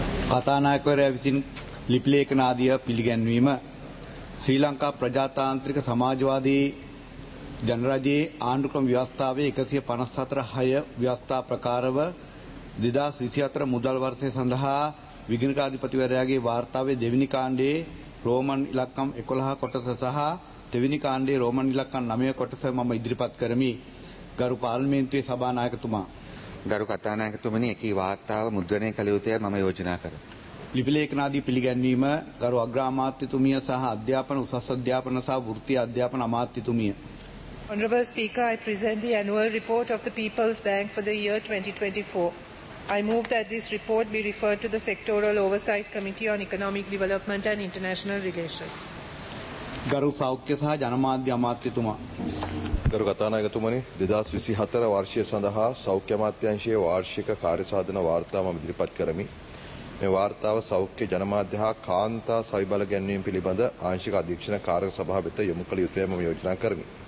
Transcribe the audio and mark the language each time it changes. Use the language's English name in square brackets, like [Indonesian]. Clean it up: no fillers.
[Sinhala] කථානායකවරයා විසින් ලිපිලේඛන ආදිය පිළිගැන්වීම ශ්‍රී ලංකා ප්‍රජාතාන්ත්‍රික සමාජවාදී ජනරජයේ ආණ්ඩුක්‍රම ව්‍යවස්ථාවේ 154(6) ව්‍යවස්ථා ප්‍රකාරව 2024 මුදල් වර්ෂය සඳහා විගණකාධිපතිවරයාගේ වාර්තාවේ දෙවෙනි කාණ්ඩයේ රෝමන් ඉලක්කම් 11 කොටස සහ දෙවෙනි කාණ්ඩයේ රෝමන් ඉලක්කම් 9 කොටස මම ඉදිරිපත් කරමි. ගරු පාර්ලිමේන්තුවේ සභානායකතුමා, ගරු කථානායකතුමනි, එකී වාර්තාව මුද්‍රණය කළ යුතුය මම යෝජනා කර. ලිපිලේඛනාදී පිළිගැන්වීම ගරු අග්‍රාමාත්‍යතුමිය සහ අධ්‍යාපන උසස් අධ්‍යාපන සහ වෘත්ති අධ්‍යාපන අමාත්‍යතුමිය. [English] Honorable Speaker, I present the annual report of the People's Bank for the year 2024. I move that this report be referred to the Sectoral Oversight Committee on Economic Development and International Relations. [Sinhala] ගරු සෞඛ්‍ය සහ ජනමාධ්‍ය අමාත්‍යතුමා. ගරු කථානායකතුමනි, 2024 වර්ෂය සඳහා සෞඛ්‍ය අමාත්‍යාංශයේ වාර්ෂික කාර්යසාධන වාර්තාව මම ඉදිරිපත් කරමි. මේ වාර්තාව සෞඛ්‍ය, ජනමාධ්‍ය හා කාන්තා සවිබල ගැන්වීම පිළිබඳ ආංශික අධීක්ෂණ කාර්ය සභාව වෙත යොමු කළ යුතුයි මම යෝජනා කරමි.